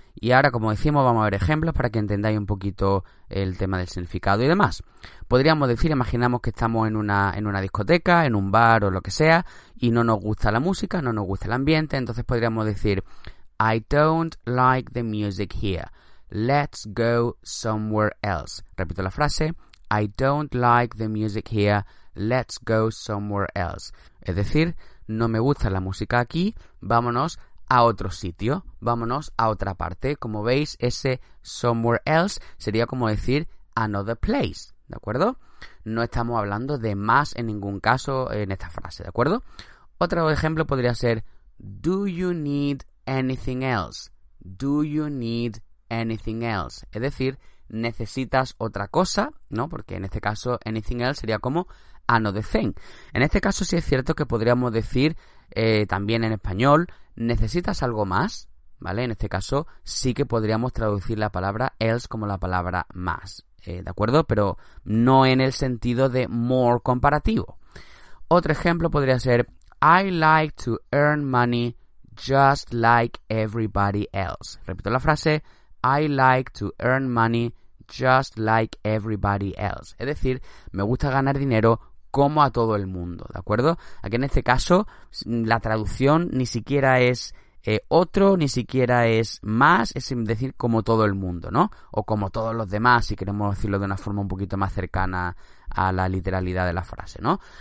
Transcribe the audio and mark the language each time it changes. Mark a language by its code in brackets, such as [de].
[es] Y ahora, como decimos, vamos a ver ejemplos para que entendáis un poquito el tema del significado y demás. Podríamos decir, imaginamos que estamos en una discoteca, en un bar o lo que sea, y no nos gusta la música, no nos gusta el ambiente, entonces podríamos decir, [en] I don't like the music here. Let's go somewhere else. [es] Repito la frase, [en] I don't like the music here. Let's go somewhere else. [es] Es decir, no me gusta la música aquí, vámonos a otro sitio, vámonos a otra parte. Como veis, ese [en] somewhere else [es] sería como decir [en] another place, [es] ¿de acuerdo? No estamos hablando de más en ningún caso en esta frase, ¿de acuerdo? Otro ejemplo podría ser, [en] do you need anything else? Do you need anything else? [es] Es decir, ¿necesitas otra cosa? ¿No? Porque en este caso, [en] anything else [es] sería como [en] another thing. [es] En este caso sí es cierto que podríamos decir también en español, ¿necesitas algo más? ¿Vale? En este caso sí que podríamos traducir la palabra else como la palabra más. ¿De acuerdo? Pero no en el sentido de more comparativo. Otro ejemplo podría ser, [en] I like to earn money just like everybody else. [es] Repito la frase, [en] I like to earn money just like everybody else. [es] Es decir, me gusta ganar dinero como a todo el mundo, ¿de acuerdo? Aquí en este caso, la traducción ni siquiera es otro, ni siquiera es más, es decir, como todo el mundo, ¿no? O como todos los demás, si queremos decirlo de una forma un poquito más cercana a la literalidad de la frase, ¿no?